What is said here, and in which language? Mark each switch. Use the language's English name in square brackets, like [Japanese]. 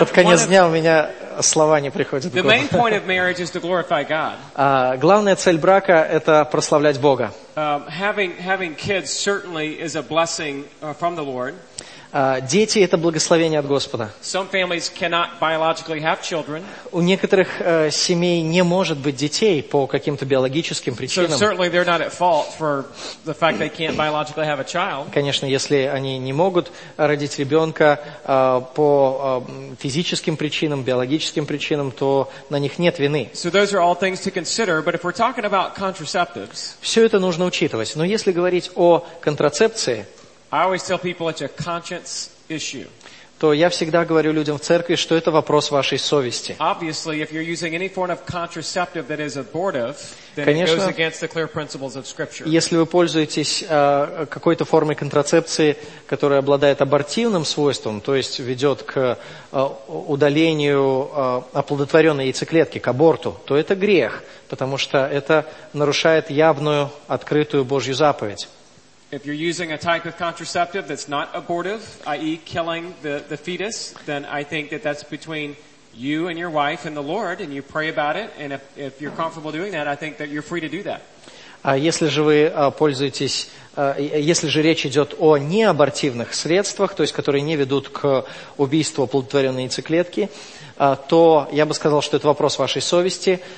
[Russian] под конец дня у меня слова не приходят [English] the main point of marriage is to glorify God. [Russian] Главная цель брака – это прославлять Бога. [English] Having kids certainly is a blessing from the Lord. [Russian] Дети – это благословение от Господа. [English] Some families cannot biologically have children. [Russian] У некоторых семей не может быть детей по каким-то биологическим причинам. [English] So certainly they're not at fault for the fact they can't biologically have a child. [Russian] Конечно, если они не могут родить ребенка по физическим причинам, биологическим причинам, то на них нет вины. [English] So those are all things to consider, but if we're talking about contraceptives, [Russian] все это нужно учитывать. Но если говорить о контрацепции, [English] I always tell people it's a conscience issue. [Russian] То я всегда говорю людям в церкви, что это вопрос вашей совести. [English] Obviously, if you're using any form of contraceptive that is abortive, then [Russian] конечно, [English] it goes against the clear principles of Scripture. [Russian] Если вы пользуетесь какой-то формой контрацепции, которая обладает абортивным свойством, то есть ведет к удалению оплодотворенной яйцеклетки, к аборту, то это грех, потому что это нарушает явную, открытую Божью заповедь. [English] If you're using a type of contraceptive that's not abortive, i.e. killing the fetus, then I think that that's between you and your wife and the Lord, and you pray about it, and if you're comfortable doing that, I think that you're free to do that. [Russian] Если же речь идет о неабортивных средствах, то есть которые не ведут к убийству оплодотворенной яйцеклетки, то я бы сказал, что это вопрос вашей совести.